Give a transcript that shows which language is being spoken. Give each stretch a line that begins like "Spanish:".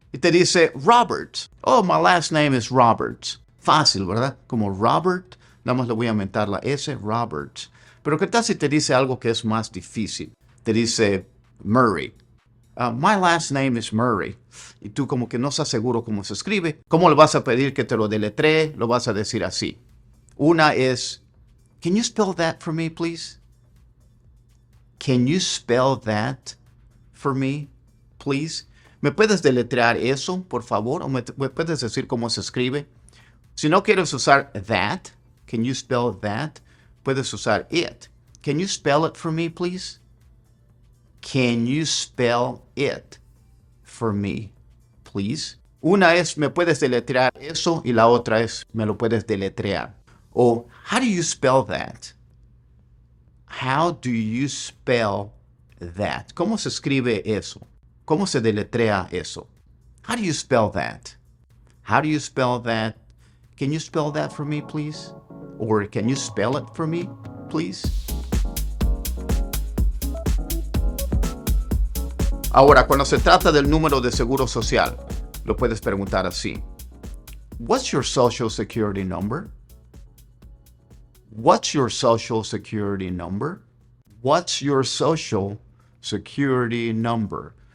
Spanish: Y te dice, Robert.
English: Oh, my last name is Robert.
Spanish: Fácil, ¿verdad? Como Robert, nada más le voy a aumentar la S, Robert. Pero ¿qué tal si te dice algo que es más difícil? Te dice, Murray.
English: My last name is Murray.
Spanish: Y tú como que no estás seguro cómo se escribe. ¿Cómo le vas a pedir que te lo deletree? Lo vas a decir así. Una es,
English: can you spell that for me, please? Can you spell that for me, please?
Spanish: ¿Me puedes deletrear eso, por favor? ¿O me puedes decir cómo se escribe? Si no quieres usar
English: that, can you spell that?
Spanish: Puedes usar it.
English: Can you spell it for me, please? Can you spell it for me, please?
Spanish: Una es, ¿me puedes deletrear eso? Y la otra es, ¿me lo puedes deletrear?
English: O, how do you spell that? How do you spell that?
Spanish: ¿Cómo se escribe eso? ¿Cómo se deletrea eso?
English: How do you spell that? How do you spell that? Can you spell that for me, please? Or can you spell it for me, please?
Spanish: Ahora, cuando se trata del número de seguro social, lo puedes preguntar así.
English: What's your social security number? What's your social security number? What's your social security number?